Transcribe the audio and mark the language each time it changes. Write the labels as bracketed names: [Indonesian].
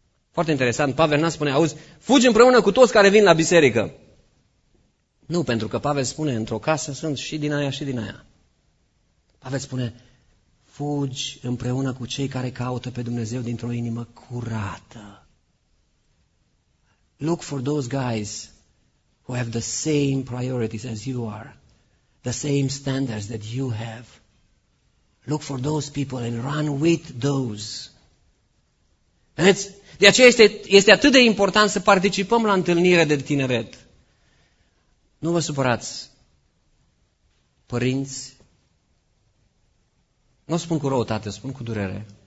[Romanian] Foarte interesant, Pavel n-a spune, auzi, fugi împreună cu toți care vin la biserică. Nu, pentru că Pavel spune, într-o casă sunt și din aia și din aia. Pavel spune, fugi împreună cu cei care caută pe Dumnezeu dintr-o inimă curată. [English] Look for those guys who have the same priorities as you are. The same standards that you have. Look for those people and run with those. [Romanian] Vedeți? De aceea este atât de important să participăm la întâlnire de tineret. Nu vă supărați, părinți, nu spun cu răutate, spun cu durere.